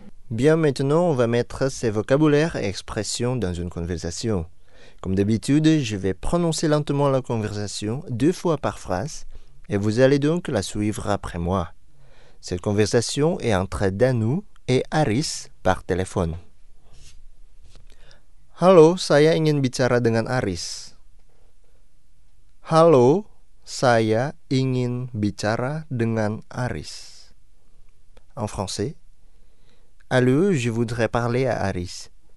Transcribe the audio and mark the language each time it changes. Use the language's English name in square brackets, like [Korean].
[French] Bien, maintenant, on va mettre ces vocabulaires et expressions dans une conversation. Comme d'habitude, je vais prononcer lentement la conversation deux fois par phrase et vous allez donc la suivre après moi. Cette conversation est entre Danu et Aris par téléphone. [Indonesian] Hello, saya ingin bicara dengan Aris. Hello, saya ingin bicara dengan Aris. [French] En français. Allô, je voudrais parler à Aris.